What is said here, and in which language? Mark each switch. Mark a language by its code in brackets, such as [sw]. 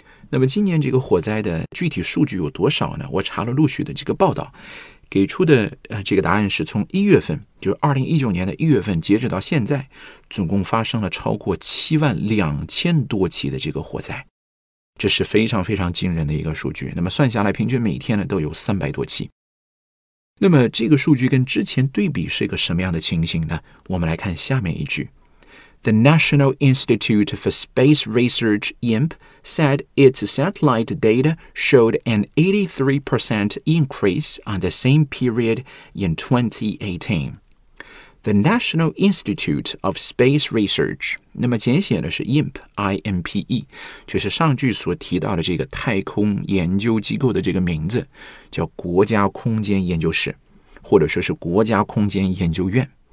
[zh] 那么今年这个火灾的具体数据有多少呢？我查了陆续的这个报道，给出的这个答案是从1月份，就是2019年的1月份截止到现在，总共发生了超过72000多起的这个火灾，这是非常非常惊人的一个数据。那么算下来平均每天呢都有300多起。那么这个数据跟之前对比是一个什么样的情形呢？我们来看下面一句。 [en] The National Institute for Space Research, IMP, said its satellite data showed an 83% increase on the same period in 2018. The National Institute of Space Research, [zh] 那么简写的是 IMP, I-M-P-E, 就是上句所提到的这个太空研究机构的这个名字，叫国家空间研究室，或者说是国家空间研究院。